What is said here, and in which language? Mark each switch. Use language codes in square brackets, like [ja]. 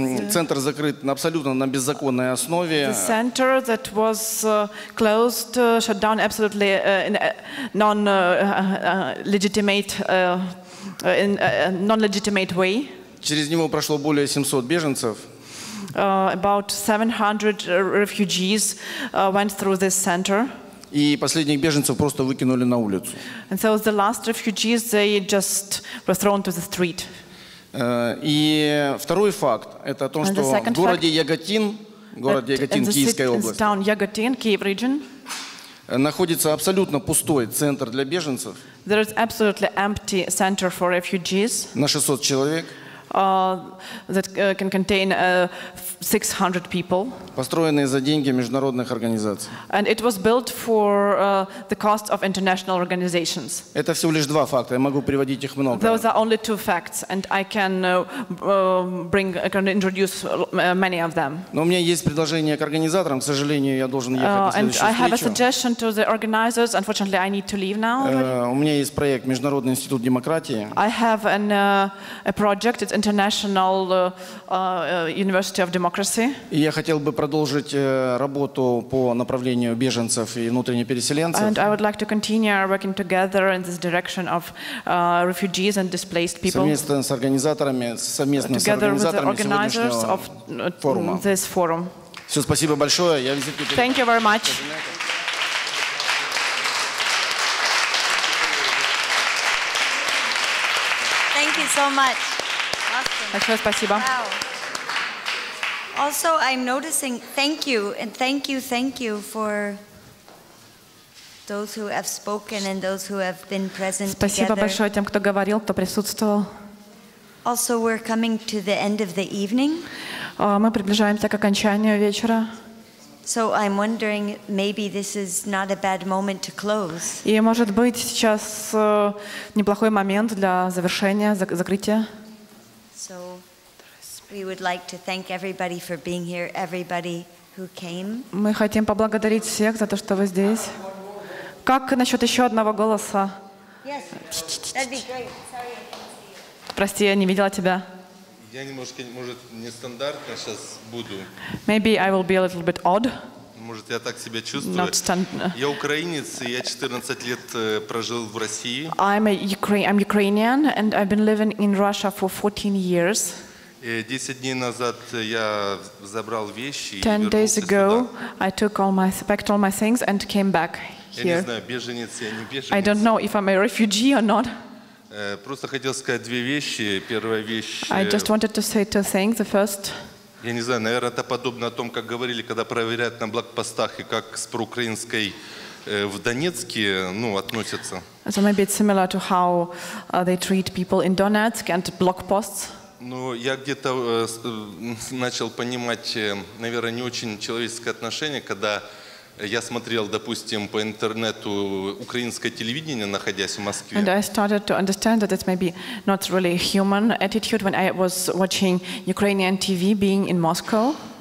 [ru] Центр закрыт абсолютно на беззаконной основе. [en] The center that was closed, shut down absolutely in non-legitimate way. [ru] Через него прошло более 700 беженцев. [en] About 700 refugees went through this center. [ru] И последних беженцев просто выкинули на улицу. [en] And so the last refugees, they just were thrown to the street. [ru] И второй факт, это о том, что в городе Яготин, город Яготин Киевской области, [en] town Яготин, Kyiv region, [ru] находится абсолютно пустой центр для беженцев. [en] There is absolutely empty center for refugees. [ru] На 600 человек. [en] That can contain 600 people. [ru] Построенные за деньги международных организаций. [en] And it was built for the cost of international organizations. [ru] Это всего лишь два факта. Я могу приводить их много. [en] Those are only two facts, and I can bring, I can introduce many of them. [ru] Но у меня есть предложение к организаторам. К сожалению, я должен ехать на следующую встречу. [en] And I have a suggestion to the organizers. Unfortunately, I need to leave now. [ru] У меня есть проект Международный институт демократии. [en] I have an a project. It's International University of Democracy. [ru] И я хотел бы продолжить работу по направлению беженцев и внутренних переселенцев. [en] And I would like to continue working together in this direction of refugees and displaced people. [ru] Совместно с организаторами, совместно [en] together [ru] с организаторами [en] with the organizers of [ru] форума. [en] This forum. [ru] Все, спасибо большое. Я визит. [en] Thank you very much. Thank you so much. [ru] Большое спасибо. [en] Wow. Also, I'm noticing, thank you for those who have spoken and those who have been present together. [ru] Спасибо большое тем, кто говорил, кто присутствовал. [en] Also, we're coming to the end of the evening. [ru] Мы приближаемся к окончанию вечера. [en] So I'm wondering, maybe this is not a bad moment to close. [ru] И может быть сейчас неплохой момент для завершения, закрытия. [en] So we would like to thank everybody for being here, everybody who came. [ru] Мы хотим поблагодарить всех за то, что вы здесь. Как насчет еще одного голоса? [en] Yes, that'd be great. Sorry, I can't see. [ru] Прости, я не видела тебя. Я немножко, может, нестандартно сейчас буду. [en] Maybe I will be a little bit odd. [ru] Может, я так себя чувствую. Я украинец, и я 14 лет прожил в России. [en] I'm Ukrainian, and I've been living in Russia for 14 years. [ru] 10 дней назад я забрал вещи. [en] 10 days ago, I took all my packed all my things and came back here. [ru] Я не знаю, беженец я, не беженец. [en] I don't know if I'm a refugee or not. [ru] Просто хотел сказать две вещи. Первая вещь. [en] I just wanted to say two things. The first. [ru] Я не знаю, наверное, это подобно о том, как говорили, когда проверяют на блокпостах, и как с проукраинской в Донецке, ну, относятся. [en] So maybe it's similar to how they treat people in Donetsk and blockposts. [ru] Ну, я где-то начал понимать, наверное, не очень человеческое отношение, когда Я смотрел, допустим, по интернету украинское телевидение, находясь в Москве. [en] And I started to understand that it's maybe not really a human attitude when I was watching Ukrainian TV being in Moscow.